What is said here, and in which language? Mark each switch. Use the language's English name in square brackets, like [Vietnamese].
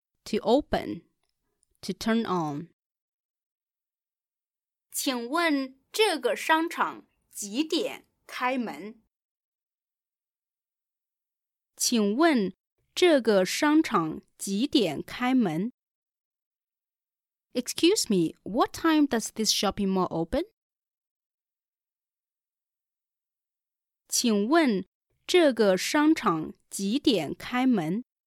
[English] To open, to turn on. [Chinese] 请问这个商场几点开门？请问这个商场几点开门？ [English] Excuse me, what time does this shopping mall open? [Chinese] 请问这个商场几点开门？